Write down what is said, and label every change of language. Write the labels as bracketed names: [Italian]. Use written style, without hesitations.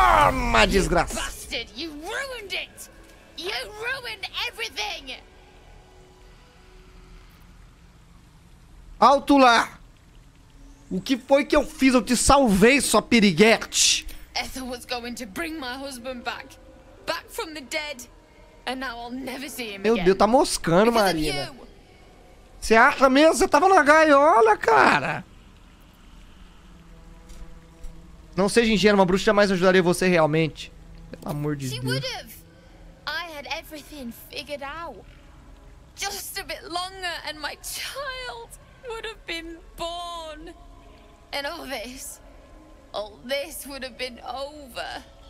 [Portuguese] Uma desgraça. [English] You ruined it. You ruined everything. [Portuguese] Alto lá. O que foi que eu fiz? Eu te salvei, sua piriguete. [English] Ethel was going to bring my husband back. Back from the dead. And now I'll never see him again. [Portuguese] Meu Deus, tá moscando, Marina. Você acha mesmo? Você tava na gaiola, cara. Não seja ingênuo, uma bruxa jamais ajudaria você realmente. Pelo amor de Deus. [English] I had everything figured out. Just a bit longer and my child would have been born. And all this All this would have been over.